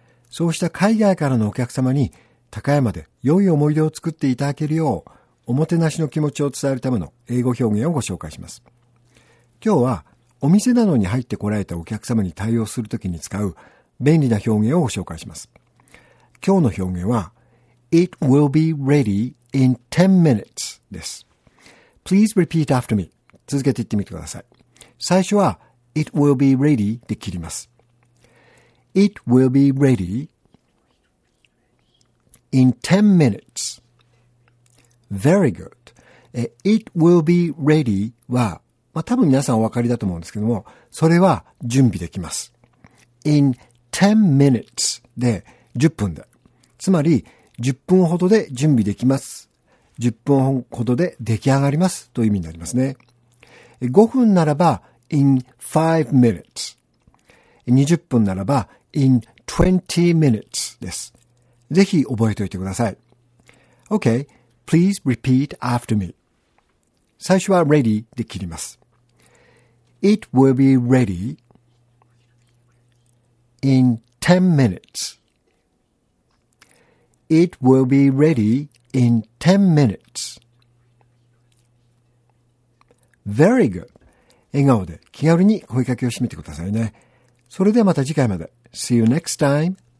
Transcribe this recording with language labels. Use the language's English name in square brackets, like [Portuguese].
[Japanese] そうした海外からのお客様に高山で良い思い出を作っていただけるよう、おもてなしの気持ちを伝えるための英語表現をご紹介します。今日はお店などに入ってこられたお客様に対応するときに使う便利な表現をご紹介します。今日の表現は、 [English] It will be ready in 10 minutes [Japanese] です。 [English] Please repeat after me. [Japanese] 続けて言ってみてください。最初は、 [English] It will be ready [Japanese] で切ります。 [English] It will be ready in 10 minutes. Very good. It will be ready [Japanese] は、まあ、多分皆さんお分かりだと思うんですけども、それは準備できます。 [English] In 10 minutes [Japanese] で、10分で。つまり、10分ほどで準備できます。10分ほどで出来上がりますという意味になりますね。 5分ならば [English] in 5 minutes。 [Japanese] 20分ならば [English] in 20 minutes [Japanese] です。ぜひ覚えておいてください。 [English] Okay, please repeat after me. [Japanese] 最初は ready で切ります。 [English] It will be ready in 10 minutes. It will be ready in 10 minutes. Very good. [Japanese] 笑顔で気軽に声かけを締めてくださいね。それではまた次回まで。 [English] See you next time.